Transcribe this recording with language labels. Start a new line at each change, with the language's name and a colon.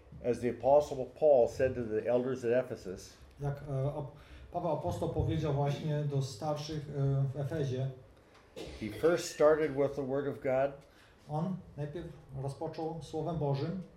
English: As the Apostle Paul said to the elders at Ephesus,
Polish: jak Paweł apostoł powiedział właśnie do starszych w Efezie,
English: he first started with the word of God.
Polish: On najpierw rozpoczął słowem Bożym.